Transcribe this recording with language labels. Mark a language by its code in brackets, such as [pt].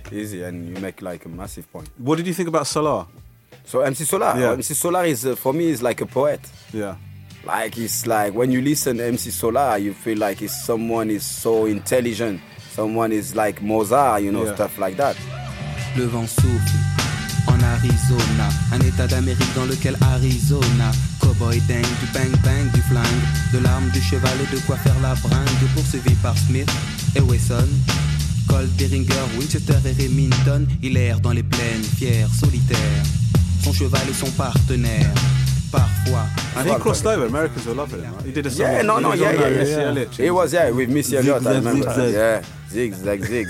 [en] Easy, and you make like a massive point. What did you think about Solar? So MC Solar, yeah. MC Solar is for me is like a poet. Yeah. Like it's like when you listen to MC Solar, you feel like it's someone is so intelligent. Someone is like Mozart, you know, yeah. Stuff like that. [fr] Le vent souffle en Arizona. Un état d'Amérique dans lequel Arizona. Cowboy dingue, du bang bang, du flingue, de l'arme, du cheval et de quoi faire la bringue. Poursuivi par Smith et Wesson, Colt, Derringer, Winchester et Remington. Il erre dans les plaines, fier, solitaire. Son cheval et son partenaire. Parfois. [en] And he crossed over. Americans were loving him. Right? He did a song. Yeah, no, yeah. He was, yeah, with Missy Elliott. Yeah, zigzag.